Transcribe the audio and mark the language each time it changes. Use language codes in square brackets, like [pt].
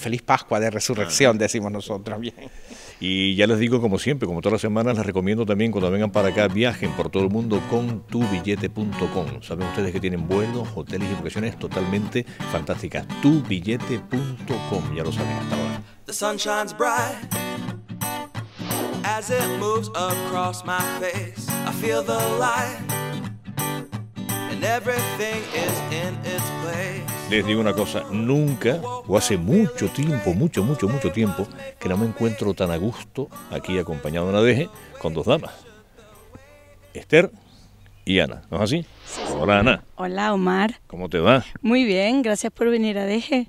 [es] Feliz Pascua de Resurrección, decimos nosotros. Bien. Y ya les digo, como siempre, como todas las semanas, les recomiendo también, cuando vengan para acá, viajen por todo el mundo con tubillete.com. Saben ustedes que tienen vuelos, hoteles y vacaciones totalmente fantásticas. Tubillete.com, ya lo saben hasta ahora. [en] The sun shines bright as it moves across my face. I feel the light and everything is in its place. [es] Les digo una cosa, nunca, o hace mucho tiempo, mucho tiempo, que no me encuentro tan a gusto aquí acompañado de una deje con dos damas. Esther y Ana, ¿no es así? Sí, hola, sí. Ana. Hola, Omar. ¿Cómo te va? Muy bien, gracias por venir a deje.